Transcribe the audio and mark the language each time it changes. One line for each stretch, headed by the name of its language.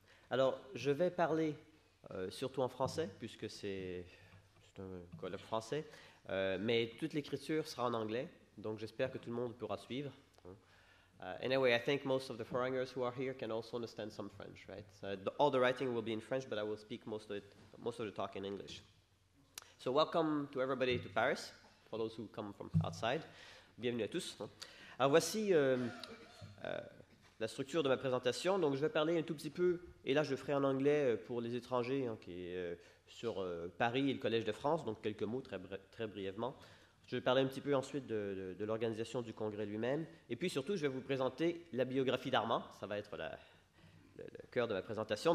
French: Alors, je vais parler surtout en français, puisque c'est un colloque français, mais toute l'écriture sera en anglais, donc j'espère que tout le monde pourra suivre.
English: Anyway, I think most of the foreigners who are here can also understand some French, right? All the writing will be in French, but I will speak most of the talk in English. So welcome to everybody to Paris. For those who come from outside,
French: bienvenue à tous. Alors voici la structure de ma présentation. Donc je vais parler un tout petit peu, et là je ferai en anglais pour les étrangers hein, qui est sur Paris et le Collège de France, donc quelques mots très brièvement. Je vais parler un petit peu ensuite de l'organisation du congrès lui-même, et puis surtout je vais vous présenter la biographie d'Armand, ça va être le cœur de ma présentation.